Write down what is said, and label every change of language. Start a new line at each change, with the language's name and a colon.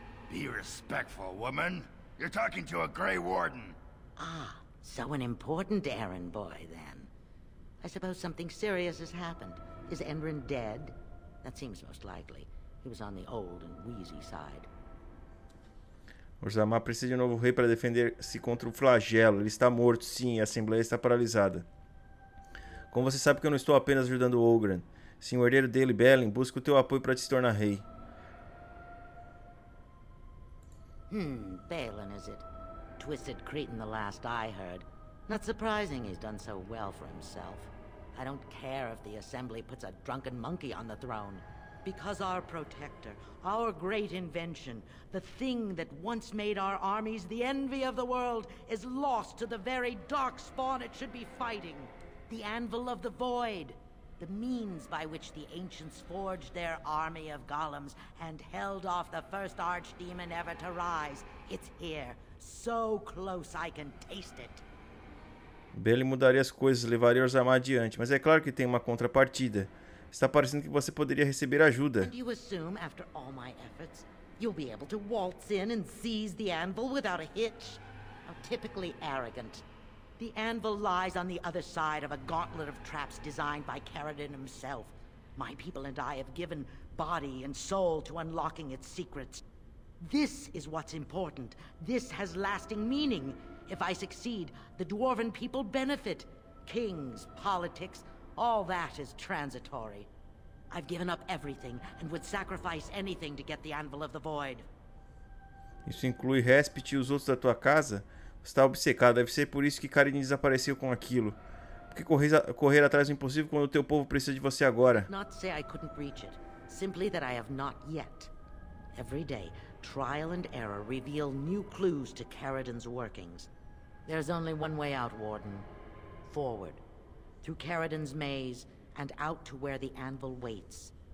English: Be respectful, woman. You're talking to a Grey Warden. Ah, so an important errand boy, then. I suppose something serious has happened. Is Endrin dead? That seems most likely. He was on the old and wheezy side.
Portuguese: Orzammar precisa de um novo rei para defender-se contra o flagelo. Ele está morto, sim. A assembleia está paralisada. Como você sabe que eu não estou apenas ajudando o Ogryn. Sim, o herdeiro dele, Belin, busca o teu apoio para te se tornar rei.
English: Belin, is it? Twisted Cretan, the last I heard. Not surprising he's done so well for himself. I don't care if the assembly puts a drunken monkey on the throne. Because our protector, our great invention, the thing that once made our armies the envy of the world, is lost to the very dark spawn it should be fighting. The Anvil of the Void. The means by which the ancients forged their army of golems and held off the first archdemon ever to rise. It's here. So close I can taste it.
Portuguese: Belin mudaria as coisas, levaria Orzammar adiante, mas é claro que tem uma contrapartida. Está parecendo que você poderia receber ajuda.
English: And you assume, after all my efforts, you'll be able to waltz in and seize the anvil without a hitch? How typically arrogant. The anvil lies on the other side of a gauntlet of traps designed by Carradine himself. My people and I have given body and soul to unlocking its secrets. This is what's important. This has lasting meaning. If I succeed, the dwarven people benefit. Kings, politics, all that is transitory. I've given up everything and would sacrifice anything to get the Anvil of the Void.
Portuguese: Isso inclui Hespit e os outros da tua casa? Você está obcecado. Deve ser por isso que Carradine desapareceu com aquilo. Por que correr atrás do impossível quando o teu povo precisa de você agora?
English: Not to say I couldn't reach it. Simply that I have not yet. Every day, trial and error reveal new clues to Carradine's workings. There's only one way out, Warden. Forward. Through Carradine's maze, and out to where the anvil waits.